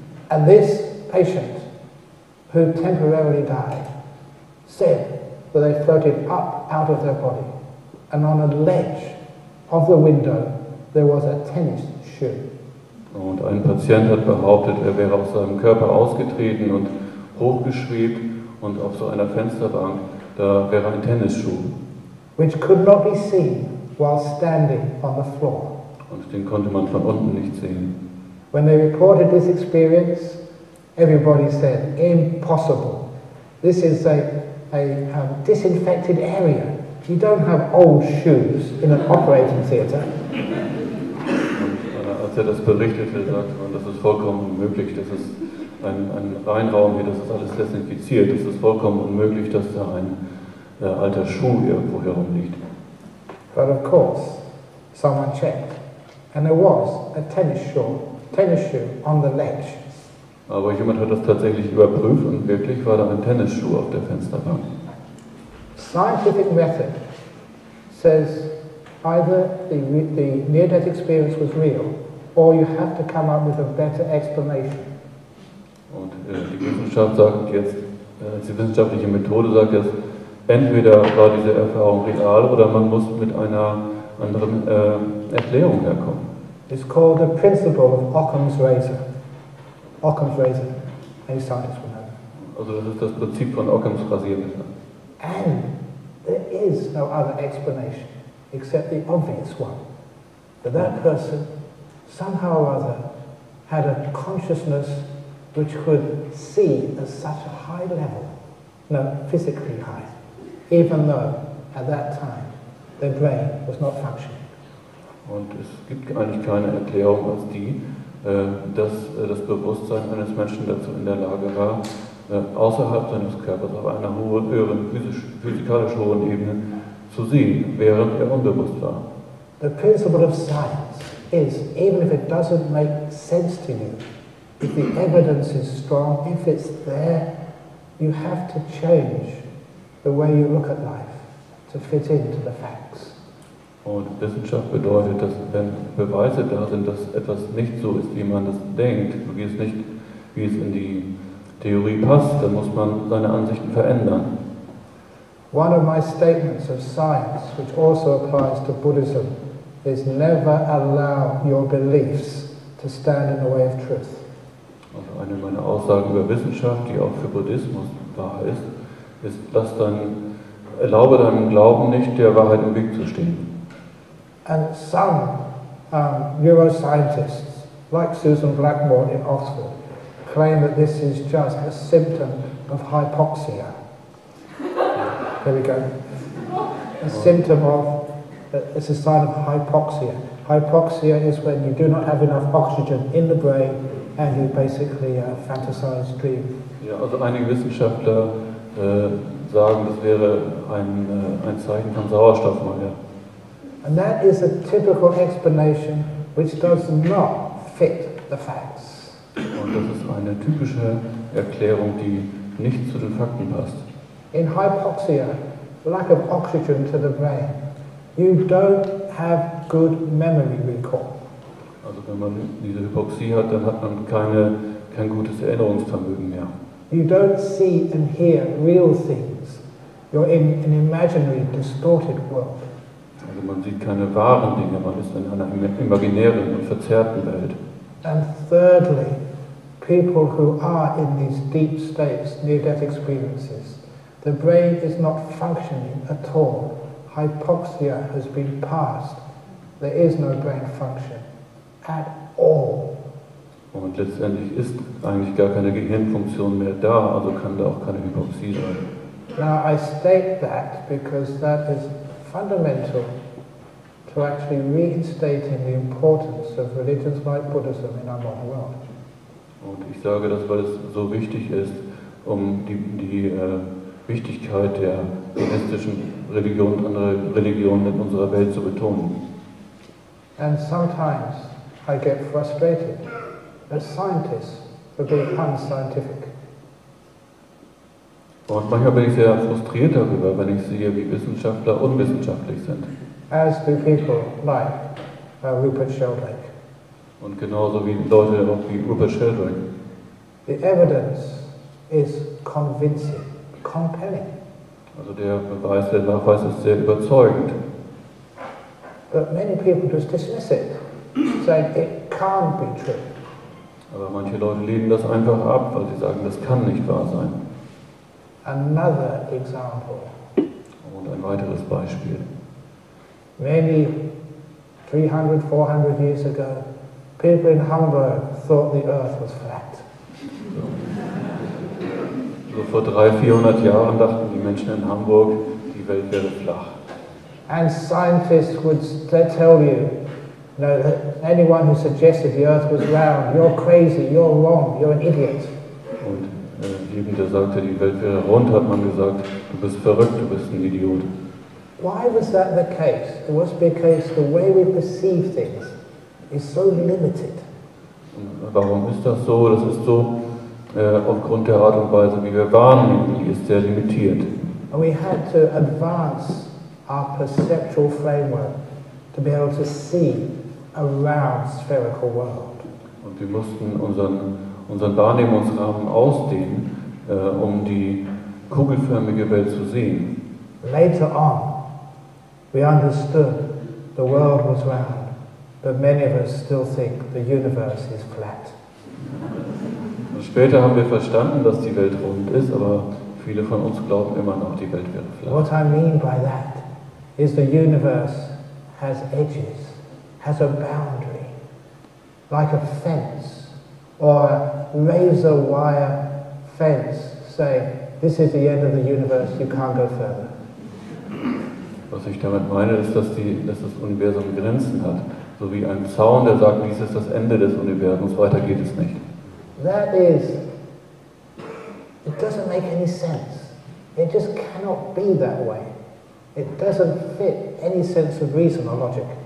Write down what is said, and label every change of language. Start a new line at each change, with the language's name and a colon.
English: And this patient, who temporarily died, said that they floated up out of their body. And on a ledge of the window, there was a tennis shoe.
German: Und ein Patient hat behauptet, er wäre aus seinem Körper ausgetreten und hochgeschwebt und auf so einer Fensterbank, da wäre ein Tennisschuh.
English: Which could not be seen while standing on the floor.
German: Und den konnte man von unten nicht sehen.
English: When they reported this experience, everybody said, impossible. This is a disinfected area. You don't have old shoes in an operating theater.
German: Als er das berichtete, sagte man, das ist vollkommen unmöglich, das ist ein Reinraum hier, das ist alles desinfiziert, das ist vollkommen unmöglich, dass da ein alter Schuh irgendwo herumliegt.
English: But of course, someone checked, and there was a tennis shoe on the ledge.
German: Aber jemand hat das tatsächlich überprüft und wirklich war da ein Tennisschuh auf der Fensterbank.
English: Scientific method says either the near-death experience was real, or you have to come up with a better explanation.
German: Und die Wissenschaft sagt jetzt, die wissenschaftliche Methode sagt jetzt, entweder war diese Erfahrung real oder man muss mit einer anderen Erklärung herkommen.
English: It's called the principle of Occam's razor. Occam's razor. Any scientist will know.
German: Also das ist das Prinzip von Occam's Rasiermesser.
English: And there is no other explanation except the obvious one. That person somehow or other had a consciousness which could see at such a high level, no, physically high, even though at that time their brain was not functioning.
German: Und es gibt eigentlich keine Erklärung als die, dass das Bewusstsein eines Menschen dazu in der Lage war, außerhalb seines Körpers auf einer höheren physikalisch hohen Ebene zu sehen, während er unbewusst war.
English: The principle of science is, even if it doesn't make sense to you, if the evidence is strong, if it's there, you have to change the way you look at life to fit into the facts.
German: Und Wissenschaft bedeutet, dass wenn Beweise da sind, dass etwas nicht so ist, wie man es denkt, wie es in die Theorie passt, dann muss man seine Ansichten verändern.
English: One of my statements of science, which also applies to Buddhism, is never allow your beliefs to stand in the way of truth.
German: Und eine meiner Aussagen über Wissenschaft, die auch für Buddhismus wahr ist, ist, dass dann erlaube deinem Glauben nicht, der Wahrheit im Weg zu stehen.
English: And some neuroscientists, like Susan Blackmore in Oxford, claim that this is just a symptom of hypoxia. There we go. A symptom of, it's a sign of hypoxia. Hypoxia is when you do not have enough oxygen in the brain and you basically fantasize, dream.
German: Ja, also einige Wissenschaftler sagen, das wäre ein Zeichen von Sauerstoffmangel.
English: And that is a typical explanation which does not fit the facts.
German: Und das ist eine typische Erklärung, die nicht zu den Fakten passt.
English: In hypoxia, lack of oxygen to the brain, you don't have good memory recall.
German: Also wenn man diese Hypoxie hat, dann hat man kein gutes Erinnerungsvermögen mehr.
English: You don't see and hear real things. You're in an imaginary, distorted world.
German: Also man sieht keine wahren Dinge, man ist in einer imaginären und verzerrten Welt.
English: And thirdly, people who are in these deep states, near-death experiences, the brain is not functioning at all. Hypoxia has been passed. There is no brain function at all.
German: Und letztendlich ist eigentlich gar keine Gehirnfunktion mehr da, also kann da auch keine Hypoxie sein.
English: Now I state that because that is fundamental to actually reinstating the importance of religions like Buddhism in our modern world.
German: Und ich sage das, weil es so wichtig ist, um die Wichtigkeit der buddhistischen Religion und anderer Religionen in unserer Welt zu betonen.
English: And sometimes I get frustrated as scientists for being unscientific.
German: Und manchmal bin ich sehr frustriert darüber, wenn ich sehe, wie Wissenschaftler unwissenschaftlich sind.
English: As do people like Rupert Sheldrake.
German: Und genauso wie Leute auch wie Rupert Sheldrake.
English: The evidence is convincing, compelling.
German: Also der Beweis, der Nachweis ist sehr überzeugend.
English: But many people just dismiss it, saying it can't be true.
German: Aber manche Leute lehnen das einfach ab, weil sie sagen, das kann nicht wahr sein.
English: Another example.
German: Und ein weiteres Beispiel.
English: Maybe 300, 400 years ago, people in Hamburg thought the earth was flat.
German: So vor 300, 400 Jahren dachten die Menschen in Hamburg, die Welt wäre flach.
English: And scientists would tell you, know, that anyone who suggested the earth was round, you're crazy, you're wrong, you're an idiot.
German: Und jemand, der sagte, die Welt wäre rund, hat man gesagt, du bist verrückt, du bist ein Idiot.
English: Why was that the case? It was because the way we perceive things is so limited.
German: Warum ist das so? Das ist so aufgrund der Art und Weise, wie wir wahrnehmen, die ist sehr limitiert.
English: And we had to advance our perceptual framework to be able to see a round spherical world.
German: Und wir mussten unseren Wahrnehmungsrahmen ausdehnen, um die kugelförmige Welt zu sehen.
English: Later on, we understood the world was round, but many of us still think the universe is flat.
German: Später haben wir verstanden, dass die Welt rund ist, aber viele von uns glauben immer noch, die Welt wäre flach.
English: What I mean by that is the universe has edges, has a boundary, like a fence or a razor wire fence, say, this is the end of the universe, you can't go further.
German: Was ich damit meine, ist, dass das Universum Grenzen hat, so wie ein Zaun, der sagt, dies ist das Ende des Universums, weiter geht es nicht.
English: That is, it doesn't make any sense. It just cannot be that way. It doesn't fit any sense of reason or logic.